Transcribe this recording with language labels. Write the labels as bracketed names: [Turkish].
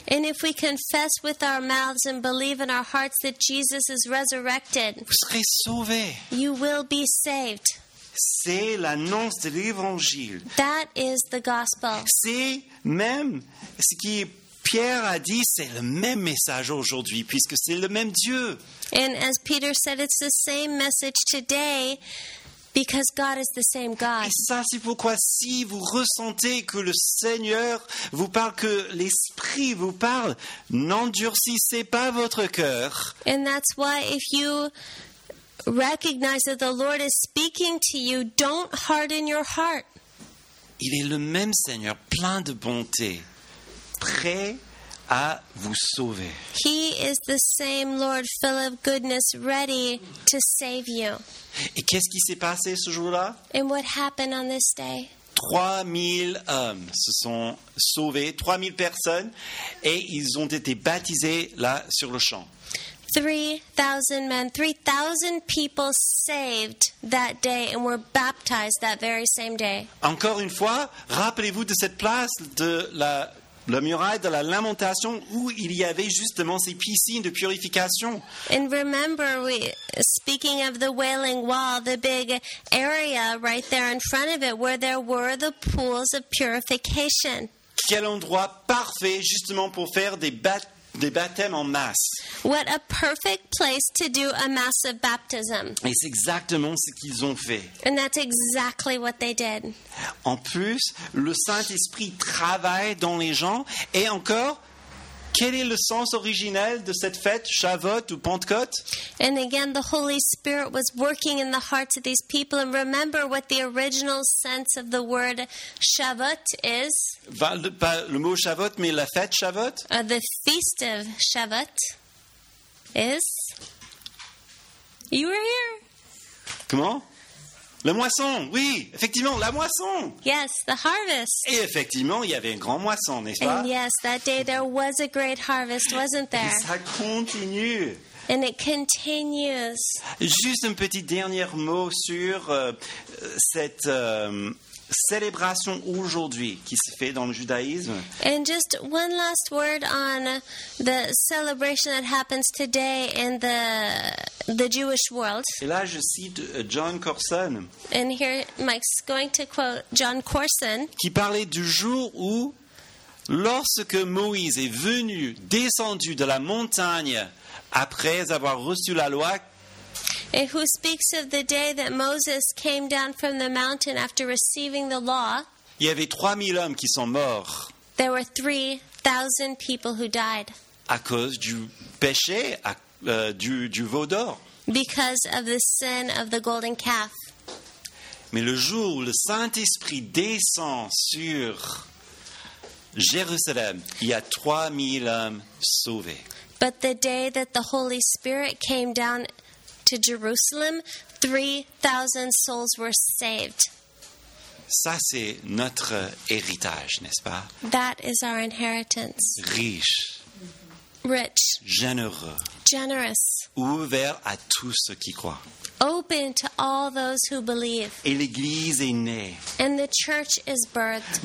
[English] and if we confess with our mouths and believe in our hearts that Jesus is resurrected, [French] vous serez sauvés. [English] You will be saved. [French] C'est l'annonce de l'évangile. [English] That is the gospel. [French] C'est même ce qui Pierre a dit, c'est le même message aujourd'hui puisque c'est le même Dieu. [English] And as Peter said, it's the same message today. Because God is the same God. [French] Et ça, c'est pourquoi si vous ressentez que le Seigneur vous parle, que l'Esprit vous parle, n'endurcissez pas votre cœur. [English] And that's why if you recognize that the Lord is speaking to you, don't harden your heart. [French] Il est le même Seigneur, plein de bonté, prêt à vous sauver. [English] He is the same Lord, full of goodness, ready to save you. [French] Et qu'est-ce qui s'est passé ce jour-là? [English] And what happened on this day? [French] 3000 hommes se sont sauvés, 3000 personnes, et ils ont été baptisés là sur le champ. [English] 3000 men, 3000 people saved that day and were baptized that very same day. [French] Encore une fois, rappelez-vous de cette place de la muraille de la Lamentation où il y avait justement ces piscines de purification. [English] And remember, speaking of the Wailing Wall, the big area right there in front of it where there were the pools of purification. [French] Quel endroit parfait justement pour faire des baptêmes en masse. [English] What a perfect place to do a massive baptism. [French] Et c'est exactement ce qu'ils ont fait. [English] And that's exactly what they did. [French] En plus, le Saint-Esprit travaille dans les gens. Et encore, quel est le sens originel de cette fête, Shavuot ou Pentecôte? [English] And again, the Holy Spirit was working in the hearts of these people. And remember what the original sense of the word Shavuot is? [French] Pas le mot Shavuot, mais la fête Shavuot? [English] The feast of Shavuot is? You were here. [French] Comment? La moisson, oui, effectivement, la moisson. [English] Yes, the harvest. [French] Et effectivement, il y avait une grande moisson, n'est-ce pas? [English] And yes, that day there was a great harvest, wasn't there? [French] Et ça continue. [English] And it continues. [French] Juste un petit dernier mot sur cette célébration aujourd'hui qui se fait dans le judaïsme. [English] And just one last word on the celebration that happens today in the Jewish world. [French] Et là, je cite John Corson. [English] And here, Mike's going to quote John Corson. [French] Qui parlait du jour où, lorsque Moïse est venu, descendu de la montagne, après avoir reçu la loi. [English] And who speaks of the day that Moses came down from the mountain after receiving the law. [French] Il y avait 3000 hommes qui sont morts. [English] There were 3000 people who died. [French] À cause du péché, du veau d'or. [English] Because of the sin of the golden calf. [French] Mais le jour où le Saint-Esprit descend sur Jérusalem, il y a 3000 hommes sauvés. [English] But the day that the Holy Spirit came down to Jerusalem, 3000 souls were saved. [French] Ça, c'est notre héritage, n'est-ce pas? [English] That is our inheritance. [French] Riche. [English] Rich. [French] Généreux. [English] Generous. [French] Ouvert à tous ceux qui croient. [English] open to all those who believe. [French] Et l'Église est née. [English] And the church is birthed.